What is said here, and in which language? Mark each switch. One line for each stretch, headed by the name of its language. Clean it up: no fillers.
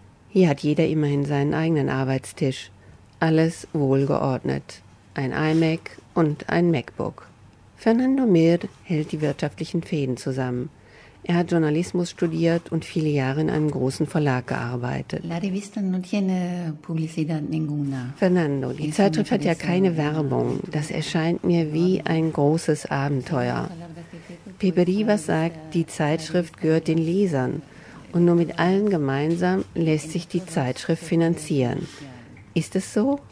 German: Hier hat jeder immerhin seinen eigenen Arbeitstisch. Alles wohlgeordnet. Ein iMac und ein MacBook. Fernando Mir hält die wirtschaftlichen Fäden zusammen. Er hat Journalismus studiert und viele Jahre in einem großen Verlag gearbeitet.
Spanish: La revista no tiene publicidad ninguna.
German: Fernando, die Zeitschrift hat ja keine Werbung. Das erscheint mir wie ein großes Abenteuer. Pepe Rivas sagt, die Zeitschrift gehört den Lesern. Und nur mit allen gemeinsam lässt sich die Zeitschrift finanzieren. Ist es so?